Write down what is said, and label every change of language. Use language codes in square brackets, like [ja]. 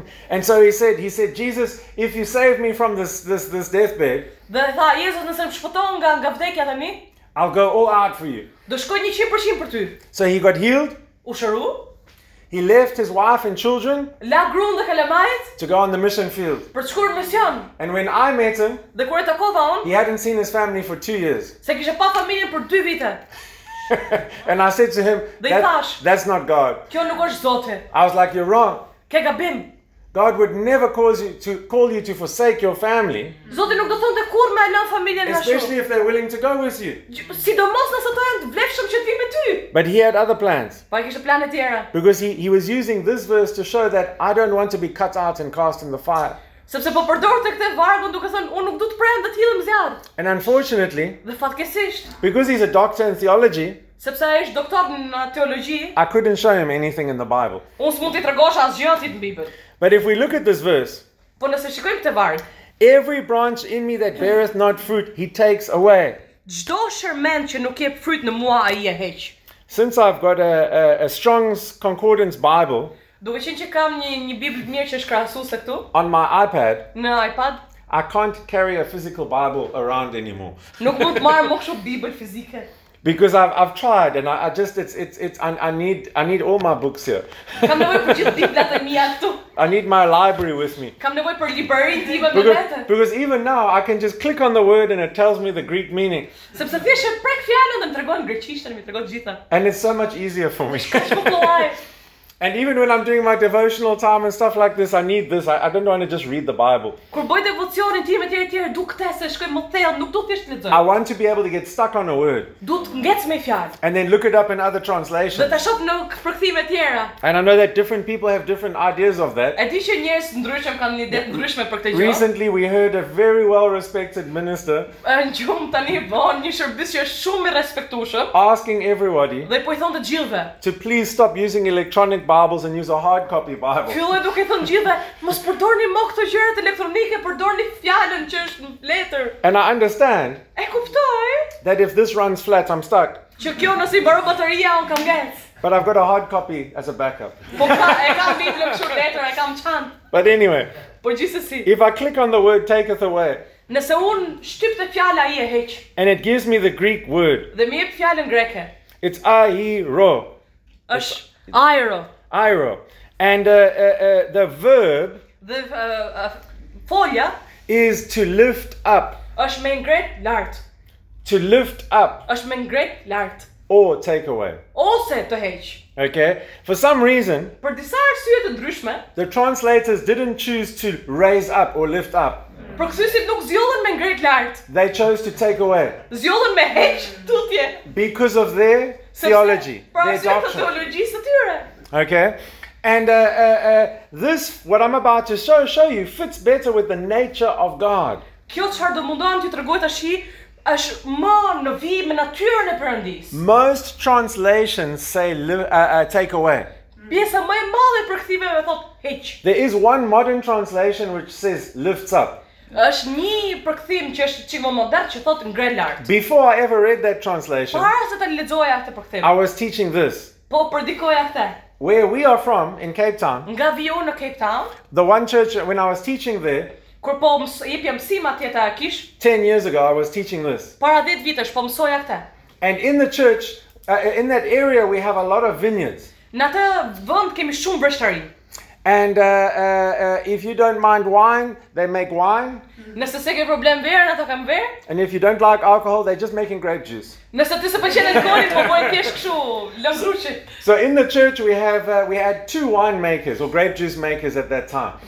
[en] And so he said Jesus, if you save me from this deathbed. [sq] Dhe tha Jezus, nëse më shpëton nga vdekja tani. [en] I'll go all out for you. [sq] Do shkoj 100% për ty. [en] So he got healed. [sq] U shëru. [en] He left his wife and children. [sq] La grun dhe kalamajt. [en] To go on the mission field. [sq] Për të shkuar në mision. [en] And when I met him. [sq] Dhe kur e takova unë. [en] He hadn't seen his family for 2 years. [sq] Se kishte pa familjen për 2 vite. [en] And I said to him, that's not God. [sq] Kjo nuk është Zoti. [en] I was like, you're wrong. [sq] Ke gabim. [en] God would never cause you to call you to forsake your family. [sq] Zoti nuk do thonte kurrë me lënë familjen tënde. [en] Especially if they're willing to go with you. [sq] Sidomos nëse ata janë të vlefshëm që të vinë me ty. [en] But he had other plans. [sq] Po kishte plane tjera. [en] Because he was using this verse to show that I don't want to be cut out and cast in the fire. [sq] Sepse po përdorte këtë vargun duke thënë unë nuk do të prem dhe të hidhem zjarr. [en] And unfortunately, [sq] the fatkesisht, [en] because he's a doctor in theology, [sq] sepse ai është doktor në teologji, [en] I couldn't show him anything in the Bible. [sq] Unë s'mund t'i tregosh asgjë atit në Bibël. [en] But if we look at this verse, [sq] po nëse shikojmë këtë varg, [en] every branch in me that beareth not fruit, he takes away. [sq] Çdo shërmend që nuk jep fryt në mua ai e heq. [en] Since I've got a Strong's Concordance Bible, [sq] duke qenë që kam një Bibël mirë që është krahasuese këtu, [en] on my iPad, [sq] në iPad, [en] I can't carry a physical Bible around anymore. [sq] Nuk mund të marr më kështu Bibël fizike. [en] Because I've tried and I just it's I need all my books here. [sq] Kam nevojë për gjithë biblat e mia këtu. [en] I need my library with me. [sq] Kam nevojë për librarin tim me vete. [en] Because even now I can just click on the word and it tells me the Greek meaning. [sq] Sepse thjesht e prek fjalën dhe më tregon greqishtën, më tregon gjithë. [en] And it's so much easier for me. [sq] Shkollaj. [en] And even when I'm doing my devotional time and stuff like this, I need this. I don't want to just read the Bible. [sq] Kur bëj devocionin tim etj etj, du këtë se shkoj më thellë, nuk do thjesht lexoj. [en] I want to be able to get stuck on a word. [sq] Du të ngec me fjalë. [en] And then look it up in other translations. [sq] Do ta shoh në përkthime të tjera. [en] And I know that different people have different ideas of that. [sq] E di që njerëz ndryshëm kanë ide ndryshme për këtë gjë. [en] Recently we heard a very well respected minister. [sq] Un jum tani von një shërbës që është shumë i respektueshëm. [en] Asking everybody. [sq] Dhe po i thon të gjithëve. [en] To please stop using electronic Bibles and use a hard copy Bible. [sq] Fillo duke thënë gjithëve, mos përdorni më këto gjërat elektronike, përdorni fjalën që është në letër. [en] And I understand. [sq] E kuptoj. [en] That if this runs flat, I'm stuck. [sq] Që kjo nëse i mbaron bateria, un kam ngjec. [en] But I've got a hard copy as a backup. [sq] Po ka, e kam Biblën kështu letër, e kam çantë. [en] But anyway. [sq] Po gjithsesi. [en] If I click on the word taketh away. [sq] Nëse un shtyp të fjalën ai e heq. [en] And it gives me the Greek word. [sq] Dhe më jep fjalën greke. [en] It's aero. [sq] Ësh aero. [en] Aero. And the verb, the folia, is to lift up. [sq] Ësh me ngrit lart. [en] To lift up. [sq] Ësh me ngrit lart. [en] Or take away. [sq] Ose të heq. [en] Okay. For some reason, [sq] për disa arsye të ndryshme, [en] the translators didn't choose to raise up or lift up. [sq] Proksisit nuk zgjollën me ngrit lart. [en] They chose to take away. [sq] Zgjollën me heq tutje. [en] Because of their theology. Their doctrine. [sq] Theologjisë së tyre. [en] Okay. And this what I'm about to show you fits better with the nature of God. [sq] Kjo çfarë do mundon ti t'rregoj tash është më në vim me natyrën e Perëndisë. [en] Most translations say take away. [sq] Pjesa më e madhe e përkthimeve thot heq. [en] There is one modern translation which says lifts up. [sq] Është një përkthim që është çik më modern që thot ngre lart. [en] Before I ever read that translation. [sq] Para se ta lexoja atë përkthim. [en] I was teaching this. [sq] Po predikoja këtë. [en] Where we are from in Cape Town. [sq] Nga vi unë në Cape Town. [en] The one church when I was teaching there. [sq] Kur po jepja mësimin atje ta kish. [en] 10 years ago I was teaching this. [sq] Para 10 vitesh po mësoja këtë. [en] And in the church in that area we have a lot of vineyards. [sq] Në atë vend kemi shumë breshtari. [en] And if you don't mind wine, they make wine. [sq] Nëse s'ke problem verën, ata kanë verë. [en] And if you don't like alcohol, they're just making grape juice. [sq] Nëse ti s'pëlqen alkooli, po bëjnë thjesht kështu, lëngruçi. [en] So in the church we have we had two wine makers or grape juice makers at that time.